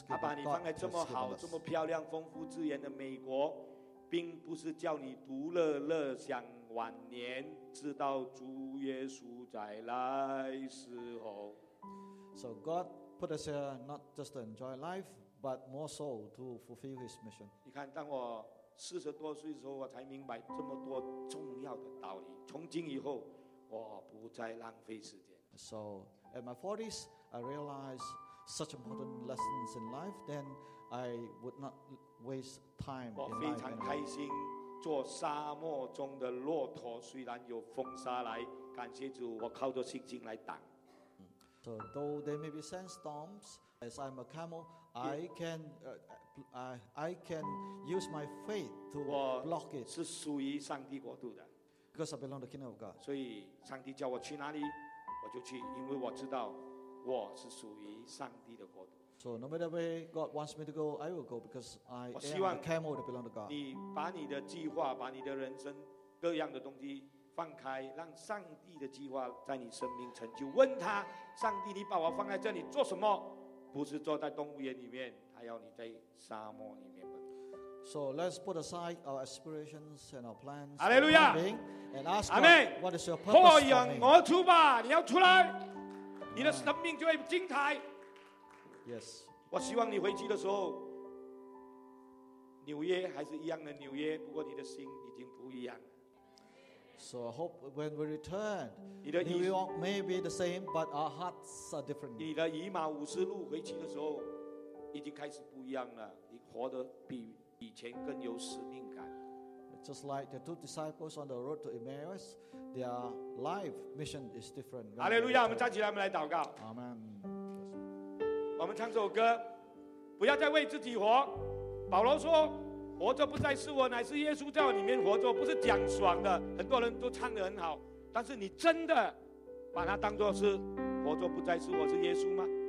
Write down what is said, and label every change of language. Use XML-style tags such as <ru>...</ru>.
<en>given us.</en> <zh>他把你放在这么好、这么漂亮、丰富资源的美国，并不是叫你独乐乐享晚年，直到主耶稣再来时候。</zh> <en>So God put us here not just to enjoy life, but more so to fulfill His mission.</en> <zh>你看，当我四十多岁的时候，我才明白这么多重要的道理。从今以后，我不再浪费时间。</zh> <en>So at my 40s, I realized such important lessons in life. Then I would not waste time.</en> <zh>我非常开心。做沙漠中的骆驼，虽然有风沙来，感谢主，我靠着信心来挡。</zh> <en>So though there may be sandstorms, as I'm a camel, I can use my faith to block it.</en> <zh>是属于上帝国度的</zh> <en>，because I belong to the kingdom of God.</en> <zh>所以上帝叫我去哪里，我就去，因为我知道我是属于上帝的国度。</zh> <en>So no matter where God wants me to go, I will go because I am a camel that belongs to God.</en> <zh>你把你的计划，把你的人生各样的东西放开，让上帝的计划在你生命成就。问他，上帝，你把我放在这里做什么？不是坐在动物园里面，他要你在沙漠里面吗？</zh> <en>So let's put aside our aspirations and our plans. Hallelujah. And ask God, what is your purpose for me? Amen. Yes.</en> <zh>我希望你回去的时候，纽约还是一样的纽约，不过你的心已经不一样。</zh> <en>So I hope when we return, New York may be the same, but our hearts are different.</en> <zh>你的以马五十路回去的时候，已经开始不一样了。你活得比以前更有使命感。</zh> <en>Just like the two disciples on the road to Emmaus, their life mission is different.</en> <zh>哈利路亚！我们站起来，我们来祷告。</zh> <en>Amen.</en> <zh>我们唱首歌，不要再为自己活。保罗说。活着不再是我，乃是耶稣在我里面活着，不是讲爽的，很多人都唱得很好，但是你真的把它当作是活着不再是我是耶稣吗？</zh>